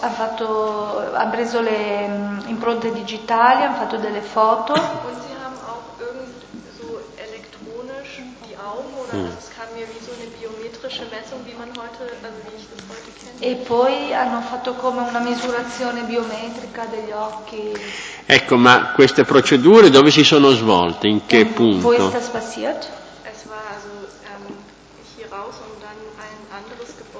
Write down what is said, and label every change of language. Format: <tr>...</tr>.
<it>Han preso le impronte digitali, hanno fatto delle foto.</it> <de>Und sie haben auch irgendwie so elektronisch die Augen oder es kam mir wie so eine biometrische Messung, wie man heute, also wie ich das heute kenne.</de> <it>E poi hanno fatto come una misurazione biometrica degli occhi. Ecco, ma queste procedure dove si sono svolte? In che punto?</it> <de>Wo ist das passiert? Es war also hier raus und dann ein anderes.</de>